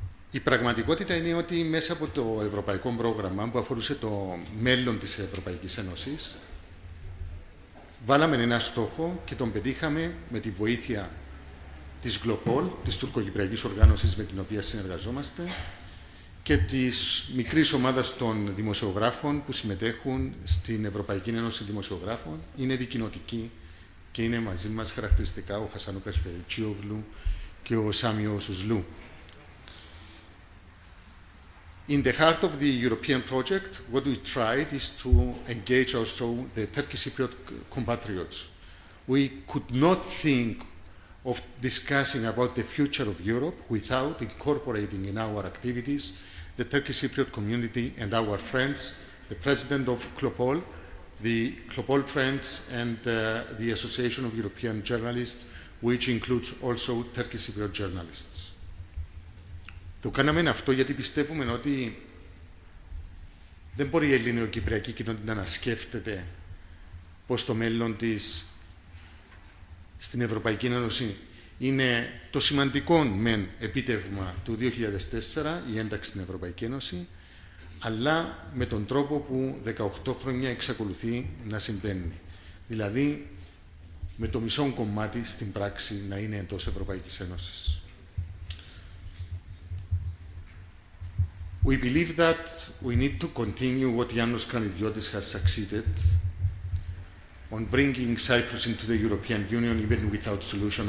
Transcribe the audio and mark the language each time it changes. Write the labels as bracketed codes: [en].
[el] Η πραγματικότητα είναι ότι μέσα από το Ευρωπαϊκό Πρόγραμμα που αφορούσε το μέλλον της Ευρωπαϊκής Ένωσης βάλαμε ένα στόχο και τον πετύχαμε με τη βοήθεια της Γκλοπόλ, της τουρκοκυπριακής οργάνωσης με την οποία συνεργαζόμαστε και της μικρής ομάδας των δημοσιογράφων που συμμετέχουν στην Ευρωπαϊκή Ένωση Δημοσιογράφων. Είναι δικοινοτική και είναι μαζί μας χαρακτηριστικά ο Χασάνου Καρφελτσίογλου και ο Σάμιο Σουσλού. [en] In the heart of the European project, what we tried is to engage also the Turkish Cypriot compatriots. We could not think of discussing about the future of Europe without incorporating in our activities the Turkish Cypriot community and our friends, the president of Klopol, the Klopol friends and the Association of European Journalists, which includes also Turkish Cypriot journalists. [el] Το κάναμε αυτό γιατί πιστεύουμε ότι δεν μπορεί η ελληνοκυπριακή κοινότητα να σκέφτεται πως το μέλλον της στην Ευρωπαϊκή Ένωση είναι το σημαντικό μεν επίτευγμα του 2004, η ένταξη στην Ευρωπαϊκή Ένωση, αλλά με τον τρόπο που 18 χρόνια εξακολουθεί να συμβαίνει. Δηλαδή, με το μισό κομμάτι στην πράξη να είναι εντός Ευρωπαϊκής Ένωσης. [en] We believe that we need to continue what Yannis Kanidiotis has succeeded on bringing Cyprus into the European Union, even without solution.